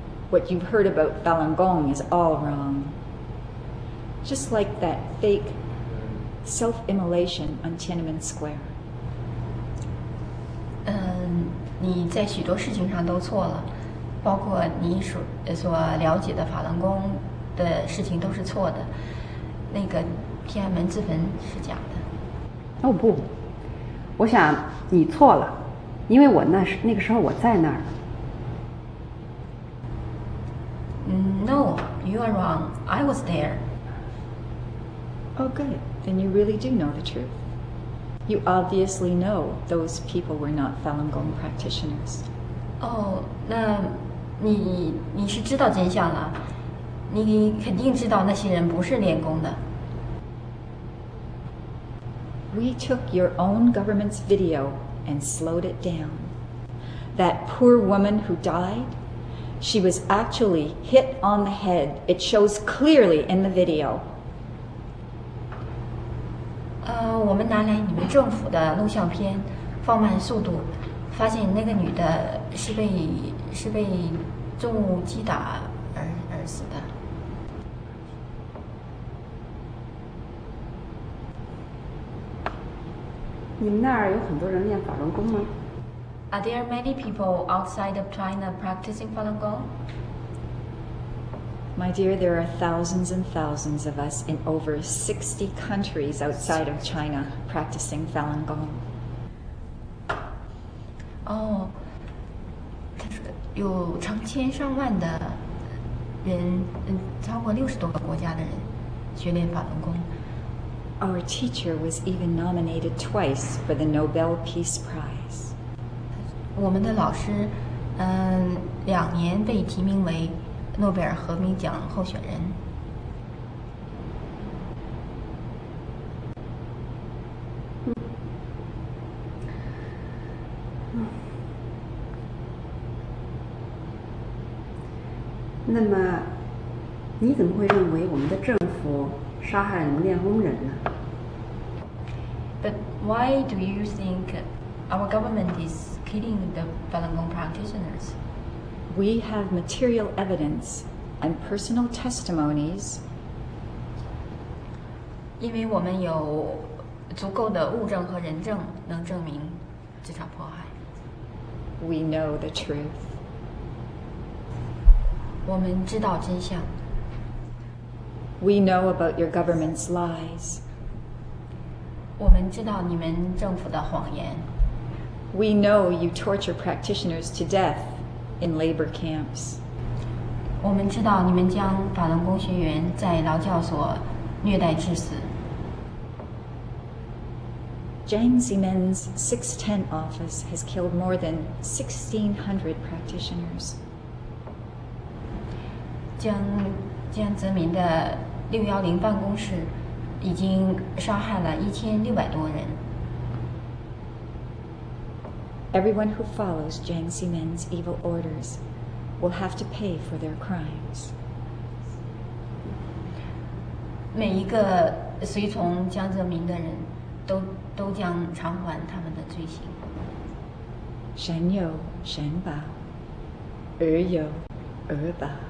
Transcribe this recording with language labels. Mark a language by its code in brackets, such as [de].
[en] What you've heard about Falun Gong is all wrong. Just like that fake self-immolation on Tiananmen Square. [zh] 你在许多事情上都错了，包括你所了解的法轮功的事情都是错的。那个天安门自焚是假的。哦不，我想你错了，因为我那个时候我在那儿。 [en] No, you are wrong. I was there. Oh, good. Then you really do know the truth. You obviously know those people were not Falun Gong practitioners. [zh] Oh, 那你是知道真相了。你肯定知道那些人不是练功的。 [en] We took your own government's video and slowed it down. That poor woman who died... She was actually hit on the head. It shows clearly in the video. [zh] 我们拿来你们政府的录像片，放慢速度，发现那个女的是被重物击打而死的。你们那儿有很多人练法轮功吗？ [en] Are there many people outside of China practicing Falun Gong? My dear, there are thousands and thousands of us in over 60 countries outside of China practicing Falun Gong. [zh] Oh, 有成千上万的人，超过六十多个国家的人学练法轮功。 [en] Our teacher was even nominated twice for the Nobel Peace Prize. [zh] 我们的老师，两年被提名为诺贝尔和平奖候选人。那么，你怎么会认为我们的政府杀害了练功人呢？ [en] But why do you think our government is killing the Falun Gong practitioners? We have material evidence and personal testimonies. [zh] 因为我们有足够的物证和人证能证明这场迫害。 [en] We know the truth. [zh] 我们知道真相。 [en] We know about your government's lies. [zh] 我们知道你们政府的谎言。 [en] We know you torture practitioners to death in labor camps. [zh] 我们知道你们将法轮功学员在劳教所虐待致死。 [en] Jiang Zemin's 610 office has killed more than 1,600 practitioners. [zh] 江泽民的610办公室已经杀害了1600多人。 [en] Everyone who follows Jiang Zemin's evil orders will have to pay for their crimes. [zh] 每一个随从江泽民的人都将偿还他们的罪行。善有善报，恶有恶报。